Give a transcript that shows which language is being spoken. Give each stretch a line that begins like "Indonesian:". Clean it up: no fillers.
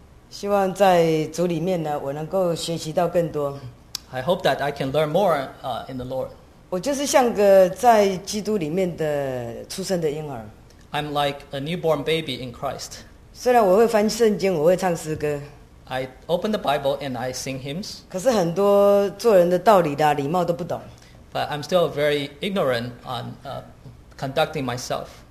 Chinese: 希望在主里面呢，我能够学习到更多。
English: I hope that I can learn more in the Lord.
Chinese: 我就是像个在基督里面的出生的婴儿。
English: I'm like a newborn baby in Christ.
Chinese: 虽然我会翻圣经，我会唱诗歌。
English: I open the Bible and I sing hymns.
Chinese: 可是很多做人的道理的礼貌都不懂。
English: But I'm still very ignorant on conducting myself.